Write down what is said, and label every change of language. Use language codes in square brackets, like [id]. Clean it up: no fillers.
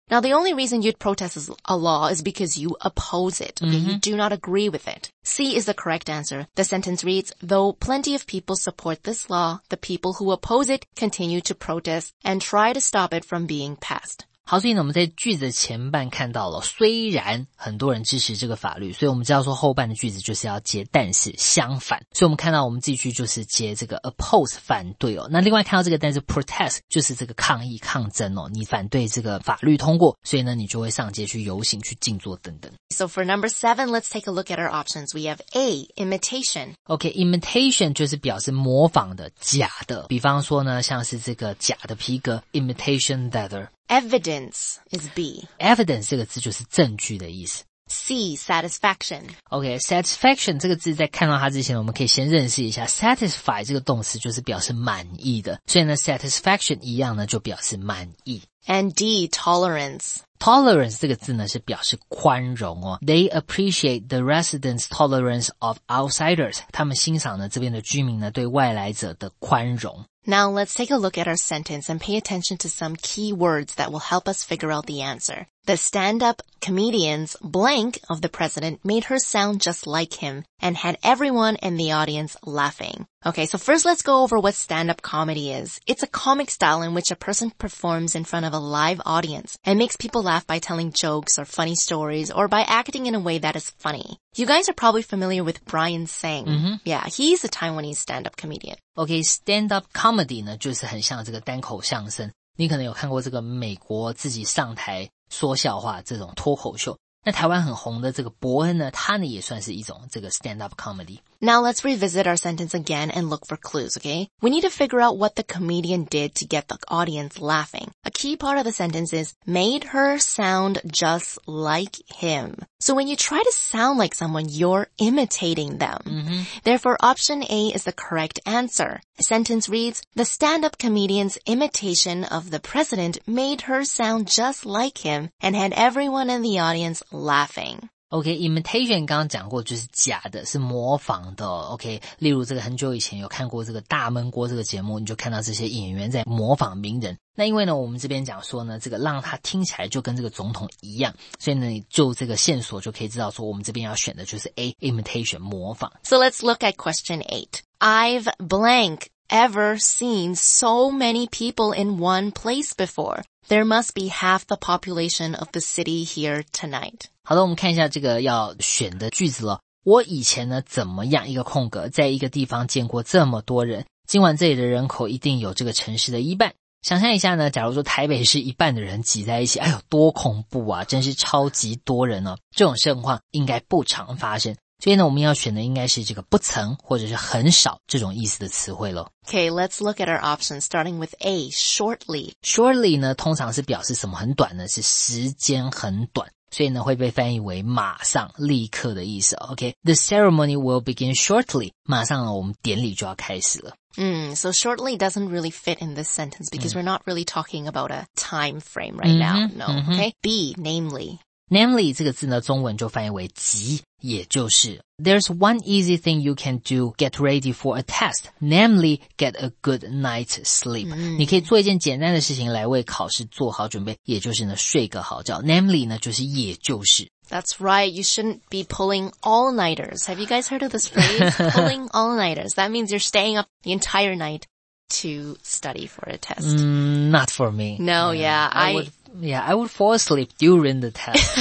[en] Now, the only reason you'd protest a law is because you oppose it, okay? Mm-hmm. You do not agree with it. C is the correct answer. The sentence reads, though plenty of people support this law, the people who oppose it continue to protest and try to stop it from being passed. [zh] 好，所以呢我们在句子前半看到了虽然很多人支持这个法律，所以我们知道说后半的句子就是要接但是相反，所以我们看到我们这句就是接这个 oppose 反对哦。那另外看到这个但是 protest 就是这个抗议抗争哦，你反对这个法律通过，所以呢你就会上街去游行去静坐等等。 [en] So for number 7, let's take a look at our options. We have A, imitation. [zh] OK, imitation 就是表示模仿的假的，比方说呢像是这个假的皮革 imitation leather。 [en] Evidence is B. [zh] Evidence 这个字就是证据的意思。 [en] C, satisfaction. [zh] OK, satisfaction 这个字在看到它之前我们可以先认识一下 satisfy 这个动词就是表示满意的，所以呢 satisfaction 一样呢就表示满意。 [en] And D, tolerance. [zh] Tolerance 这个字呢是表示宽容哦。 [en] They appreciate the residents' tolerance of outsiders. [zh] 他们欣赏呢这边的居民呢对外来者的宽容。 [en] Now let's take a look at our sentence and pay attention to some key words that will help us figure out the answer. The stand-up comedian's blank of the president made her sound just like him and had everyone in the audience laughing. Okay, so first let's go over what stand-up comedy is. It's a comic style in which a person performs in front of a live audience and makes people laugh by telling jokes or funny stories or by acting in a way that is funny. You guys are probably familiar with Brian Tseng. Mm-hmm. Yeah, he's a Taiwanese stand-up comedian. [zh] Okay, stand-up comedy 呢就是很像这个单口相声。你可能有看过这个美国自己上台说笑话这种脱口秀。那台湾很红的这个伯恩呢，他呢也算是一种这个 stand-up comedy。 [en] Now let's revisit our sentence again and look for clues, okay? We need to figure out what the comedian did to get the audience laughing. A key part of the sentence is made her sound just like him. So when you try to sound like someone, you're imitating them. Mm-hmm. Therefore, option A is the correct answer. The sentence reads, the stand-up comedian's imitation of the president made her sound just like him and had everyone in the audience laughing. [zh] OK,imitation、okay, 刚刚讲过就是假的是模仿的 OK, 例如这个很久以前有看过这个大闷锅这个节目，你就看到这些演员在模仿名人，那因为呢我们这边讲说呢这个让他听起来就跟这个总统一样，所以呢就这个线索就可以知道说我们这边要选的就是 A,imitation, 模仿。 [en] So let's look at question 8. I've blank ever seen so many people in one place before. There must be half the population of the city here tonight. [zh] 好的，我们看一下这个要选的句子了。我以前呢怎么样一个空格在一个地方见过这么多人，今晚这里的人口一定有这个城市的一半。想象一下呢，假如说台北市一半的人挤在一起，哎呦多恐怖啊，真是超级多人哦。这种盛况应该不常发生，所以呢我们要选的应该是这个不曾或者是很少这种意思的词汇咯。 [en] Okay, let's look at our options, starting with A, shortly. [zh] Shortly 呢通常是表示什么很短呢，是时间很短，所以呢会被翻译为马上立刻的意思。 OK, [en] the ceremony will begin shortly, [zh] 马上呢我们典礼就要开始了。 [en] So shortly doesn't really fit in this sentence because we're not really talking about a time frame right now. Okay, B, namely. [zh] Namely 这个字呢中文就翻译为即，也就是 [en] There's one easy thing you can do, get ready for a test, namely get a good night's sleep. [zh] 你可以做一件简单的事情来为考试做好准备，也就是呢睡个好觉。 Namely 呢就是也就是。 [en] That's right, you shouldn't be pulling all-nighters. Have you guys heard of this phrase? Pulling all-nighters, that means you're staying up the entire night to study for a test. Not for me. I would fall asleep during the test.